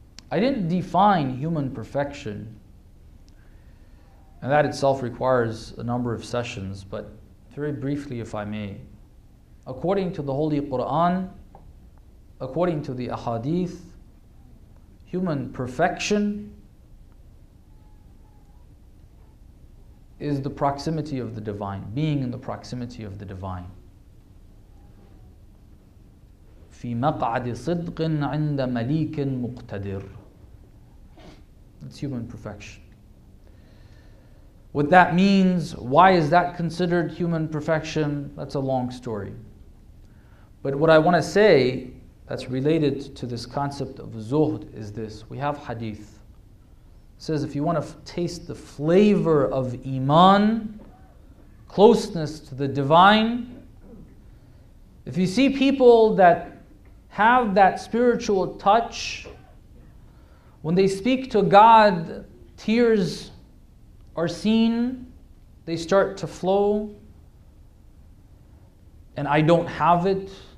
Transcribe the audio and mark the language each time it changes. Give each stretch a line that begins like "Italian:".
English: I didn't define human perfection, and that itself requires a number of sessions, but very briefly, if I may, according to the Holy Quran, according to the Ahadith, human perfection is the proximity of the divine, being in the proximity of the divine.
Arabic: في مقعد صدق عند مليك مقتدر.
English: It's human perfection. What that means, why is that considered human perfection? That's a long story. But what I want to say that's related to this concept of zuhd is this. We have hadith. Says, if you want to taste the flavor of iman, closeness to the divine, if you see people that have that spiritual touch, when they speak to God, tears are seen, they start to flow, and I don't have it.